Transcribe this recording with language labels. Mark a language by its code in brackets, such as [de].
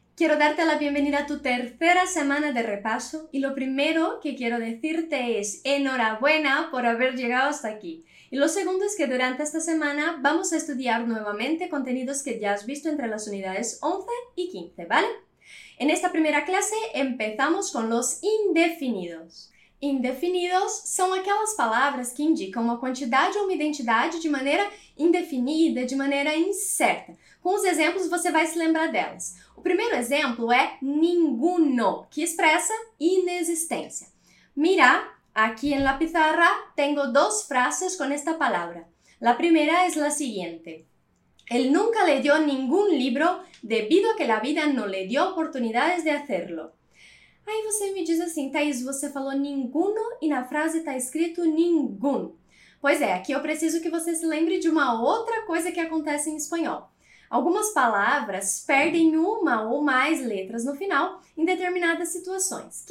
[es] Quiero darte la bienvenida a tu tercera semana de repaso y lo primero que quiero decirte es enhorabuena por haber llegado hasta aquí. Y lo segundo es que durante esta semana vamos a estudiar nuevamente contenidos que ya has visto entre las unidades 11 y 15, ¿vale? En esta primera clase empezamos con los indefinidos. [pt] Indefinidos são aquelas palavras que indicam uma quantidade ou uma identidade de maneira indefinida, de maneira incerta. Com os exemplos, você vai se lembrar delas. O primeiro exemplo é ninguno, que expressa inexistência. Mira, aqui na pizarra, tenho duas frases com esta palavra. A primeira é a seguinte. [es] Él nunca le dio ningún libro debido a que la vida no le dio oportunidades de hacerlo. [pt] Aí você me diz assim, Thaís, você falou ninguno e na frase está escrito ningún. Pois é, aqui eu preciso que você se lembre de uma outra coisa que acontece em espanhol. Algumas palavras perdem uma ou mais letras no final em determinadas situações.